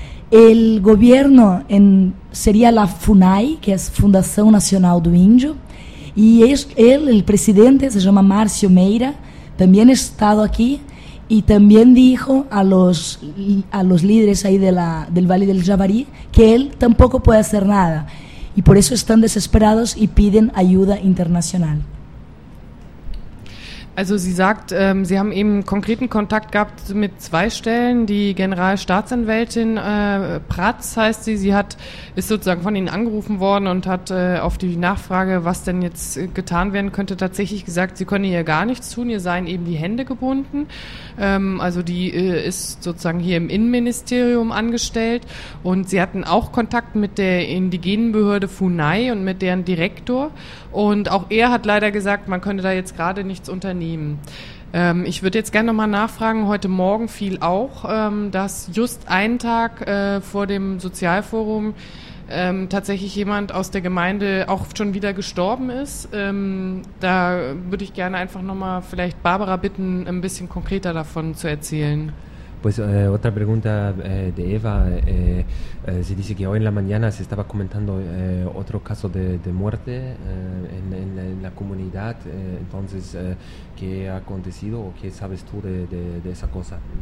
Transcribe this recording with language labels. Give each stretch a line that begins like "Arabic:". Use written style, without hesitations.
Spanish: El gobierno sería la FUNAI, que es Fundación Nacional do Índio, y el presidente se llama Márcio Meira, también he estado aquí y también dijo a los líderes ahí de la, del Valle del Jabarí que él tampoco puede hacer nada. Y por eso están desesperados y piden ayuda internacional.
German: Also sie sagt, sie haben eben konkreten Kontakt gehabt mit zwei Stellen. Die Generalstaatsanwältin Pratz heißt sie. Sie hat ist sozusagen von ihnen angerufen worden und hat auf die Nachfrage, was denn jetzt getan werden könnte, tatsächlich gesagt, sie könne ihr gar nichts tun. Ihr seien eben die Hände gebunden. Also die ist sozusagen hier im Innenministerium angestellt und sie hatten auch Kontakt mit der indigenen Behörde FUNAI und mit deren Direktor. Und auch er hat leider gesagt, man könne da jetzt gerade nichts unternehmen. Ich würde jetzt gerne nochmal nachfragen, heute Morgen fiel auch, dass just einen Tag vor dem Sozialforum tatsächlich jemand aus der Gemeinde auch schon wieder gestorben ist. Da würde ich gerne einfach nochmal vielleicht Barbara bitten, ein bisschen konkreter davon zu erzählen.
Spanish: Pues otra pregunta de Eva,
German: sie
Spanish: dice que hoy en la mañana se estaba comentando otro caso de muerte en la comunidad, entonces, ¿qué ha acontecido o qué sabes tú de esa cosa?